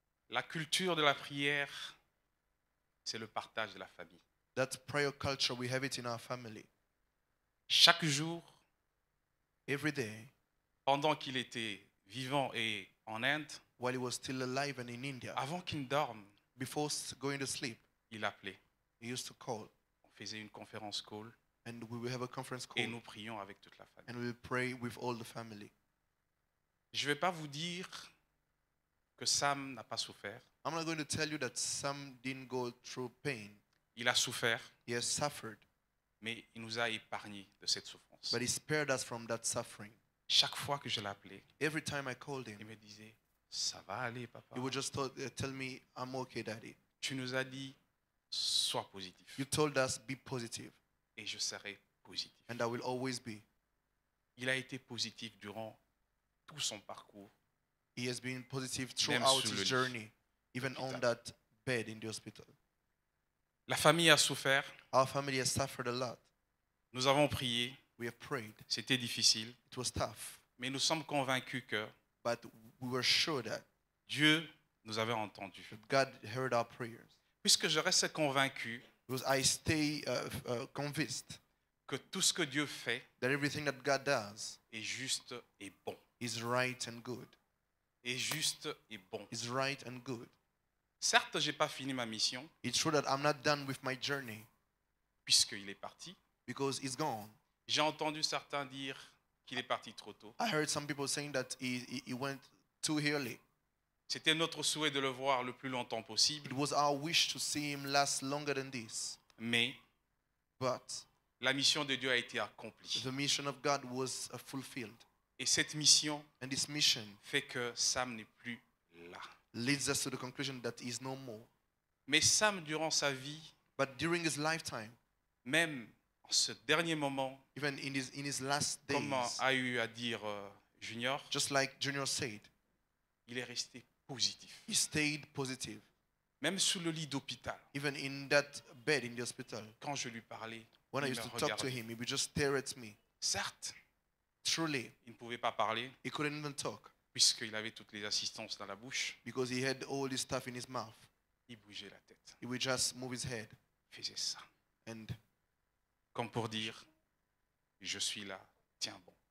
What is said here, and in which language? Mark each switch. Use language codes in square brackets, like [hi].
[fr] La culture de la prière, c'est le partage de la famille. [en] That prayer culture, we have it in our family. [fr] Chaque jour, [en] every day, [fr] pendant qu'il était vivant et en Inde, [en] while he was still alive and in India, [fr] avant qu'il ne dorme, [en] before going to sleep, [fr] il appelait. [en] He used to call. [fr] On faisait une conférence call. [en] And we would have a conference call. [fr] Et nous prions avec toute la famille. [en] And we pray with all the family. [fr] Je ne vais pas vous dire que Sam n'a pas souffert. [en] I'm not going to tell you that Sam didn't go through pain. [fr] Il a souffert. [en] He has suffered. [fr] Mais il nous a épargné de cette souffrance. [en] But he spared us from that suffering. [fr] Chaque fois que je l'appelais, [en] every time I called him, [fr] il me disait, ça va aller, papa. [en] He would just tell me, I'm okay, daddy. [fr] Tu nous as dit, sois positif. [en] You told us, be positive. [fr] Et je serai positif. [en] And I will always be. [fr] Il a été positif durant tout son parcours. [en] He has been positive throughout his journey, even on that bed in the hospital. [fr] La famille a souffert. [en] Our family has suffered a lot. [fr] Nous avons prié. [en] We have prayed. [fr] C'était difficile. [en] It was tough. [fr] Mais nous sommes convaincus que [en] but we were sure that [fr] Dieu nous avait entendu. [en] God heard our prayers. [fr] Puisque je reste convaincu, [en] because I stay convinced [fr] que tout ce que Dieu fait [en] that everything that God does [fr] est juste et bon. [en] Is right and good. [fr] Est juste et bon. [en] Is right and good. [fr] Certes, j'ai pas fini ma mission. [en] It's true that I'm not done with my journey. [fr] Puisqu'il est parti. [en] Because he's gone. [fr] J'ai entendu certains dire qu'il est parti trop tôt. [en] I heard some people saying that he went too early. [fr] C'était notre souhait de le voir le plus longtemps possible. [en] It was our wish to see him last longer than this. [fr] Mais, [en] but [fr] la mission de Dieu a été accomplie. [en] The mission of God was fulfilled. [fr] Et cette mission, [en] and this mission [fr] fait que Sam n'est plus là. [en] Leads us to the conclusion that he's no more. [fr] Mais Sam, durant sa vie, [en] but during his lifetime, [fr] même en ce dernier moment, [en] even in his last days, [fr] comme a eu à dire Junior, [en] just like Junior said, [fr] il est resté positif. [en] He stayed positive. [fr] Même sous le lit d'hôpital, [en] even in that bed in the hospital, [fr] quand je lui parlais, [en] when [fr] il [en] I used to talk to him, he would just stare at me. [fr] Certes. [en] Truly, [fr] il ne pouvait pas parler. [en] He couldn't even talk. [fr] Puisqu'il avait toutes les assistances dans la bouche. [en] Because he had all his stuff in his mouth. [fr] Il bougeait la tête. [en] He would just move his head. [fr] Il faisait ça. [en] And [fr] comme pour dire, je suis là, tiens bon.